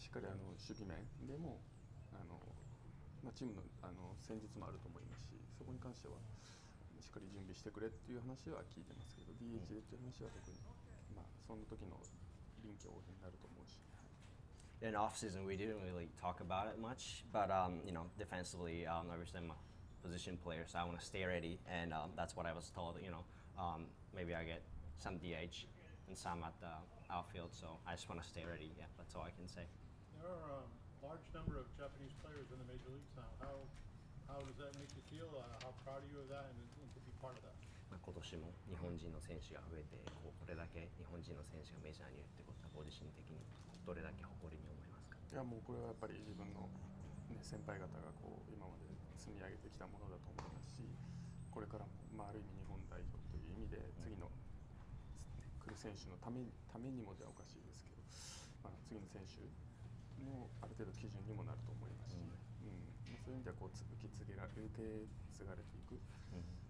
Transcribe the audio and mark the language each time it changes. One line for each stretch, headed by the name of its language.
Japanese: しっかり守備面でも、まあ、チーム の戦術もあると思いますし、そこに関してはしっかり準備してくれっていう話は聞いてますけど、DH でっていう話は特に、まあ、その時の臨機応変になると思うし、
English: In off-season, we didn't really talk about it much, but you know, defensively, obviously I'm a position player, so I want to stay ready, and that's what I was told, you know, maybe I get some DH and some at the outfield, so I just want to stay ready, yeah, that's all I can say. There are a large number of Japanese players in the major leagues now. How does that make you feel? How proud are you of that and to be part of that?
Japanese: まあ、今年も日本人の選手が増えて、これだけ日本人の選手がメジャーにいるってことはご自身的にどれだけ誇りに思いますか？いやもうこれはやっぱり自分の、ね、先輩方がこう今まで積み上げてきたものだと思いますし、これからも、まあ、ある意味日本代表という意味で次の、ね、来る選手のためにもではおかしいですけど、まあ、次の選手のある程度基準にもなると思いますし、うんうんまあ、そういう意味ではこう受け継げられて継がれていく、うん